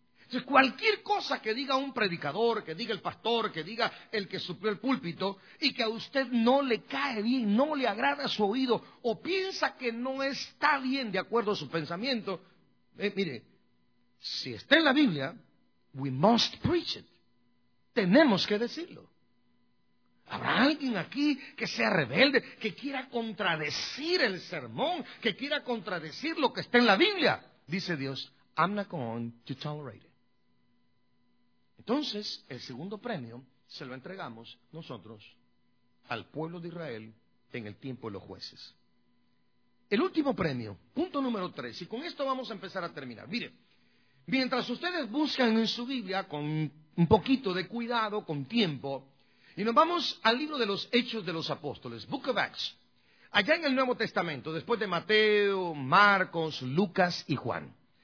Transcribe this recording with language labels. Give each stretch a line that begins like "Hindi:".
Spanish: Entonces, cualquier cosa que diga un predicador, que diga el pastor, que diga el que suplió el púlpito, y que a usted no le cae bien, no le agrada su oído, o piensa que no está bien de acuerdo a su pensamiento, mire, si está en la Biblia,
English: we must preach it.
Spanish: Tenemos que decirlo. ¿Habrá alguien aquí que sea rebelde, que quiera contradecir el sermón, que quiera contradecir lo que está en la Biblia? Dice Dios,
English: I'm not going to tolerate it.
Spanish: Entonces, el segundo premio se lo entregamos nosotros al pueblo de Israel en el tiempo de los jueces. El último premio, punto número 3, y con esto vamos a empezar a terminar. Mire, mientras ustedes buscan en su Biblia con un poquito de cuidado, con tiempo, y nos vamos al libro de los Hechos de los Apóstoles,
English: Book of Acts,
Spanish: allá en el Nuevo Testamento, después de Mateo, Marcos, Lucas y Juan.